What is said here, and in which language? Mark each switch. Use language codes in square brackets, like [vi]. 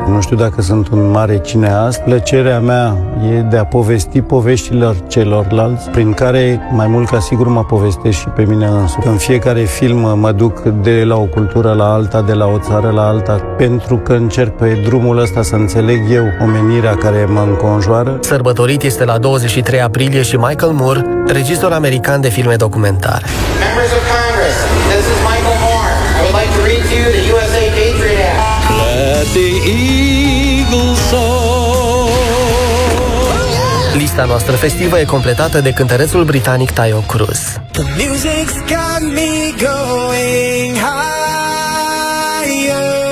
[ro] Nu știu dacă sunt un mare cineast. Plăcerea mea e de a povesti poveștile celorlalți, prin care mai mult ca sigur mă povestesc și pe mine însumi. În fiecare film mă duc de la o cultură la alta, de la o țară la alta, pentru că încerc pe drumul ăsta să înțeleg eu omenirea care mă înconjoară. Sărbătorit este la 23 aprilie și Michael Moore, regizor american de filme documentare. [en] Members of Congress, this is Michael Moore. I would like to read to you the USA Patriot Act. [ro] Lista noastră festivă e completată de cântărețul britanic Tayo Cruz. [en] The music's got me going higher.